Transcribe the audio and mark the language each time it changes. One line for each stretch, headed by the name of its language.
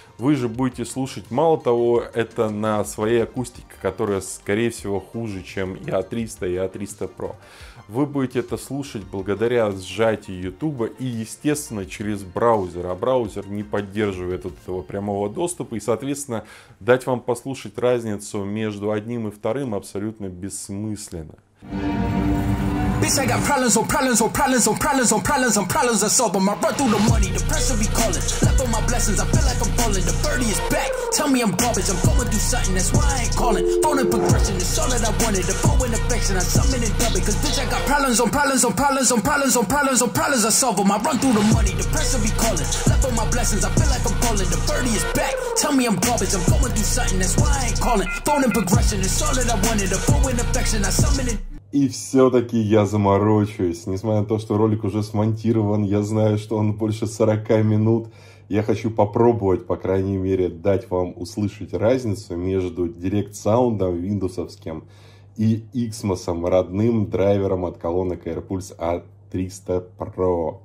Russian: Вы же будете слушать, мало того, это на своей акустике, которая, скорее всего, хуже, чем и А300, и А300 Pro. Вы будете это слушать благодаря сжатию Ютуба и, естественно, через браузер. А браузер не поддерживает вот этого прямого доступа. И, соответственно, дать вам послушать разницу между одним и вторым абсолютно бессмысленно.
English: Bitch, I got problems on problems on problems on problems on problems on problems to solve them. I run through the money, the pressure be calling. Left on my blessings, I feel like I'm falling. The birdie is back, tell me I'm garbage. I'm going through something, that's why I ain't calling. Phone in progression, it's all that I wanted. The phone in affection, I summon it double. Cause bitch, I got problems on problems on problems on problems on problems on problems to solve them. I run through the money, the pressure be calling. Left on my blessings, I feel like I'm falling. The birdie is back, tell me I'm garbage. I'm going through something, that's why I ain't calling. Phone in progression, it's all that I wanted. The phone in affection, I summon it.
Russian: И все-таки я заморочусь, несмотря на то, что ролик уже смонтирован, я знаю, что он больше 40 минут. Я хочу попробовать, по крайней мере, дать вам услышать разницу между DirectSound'ом Windows'овским и Xmos'ом, родным драйвером от колонок AirPulse A300 Pro.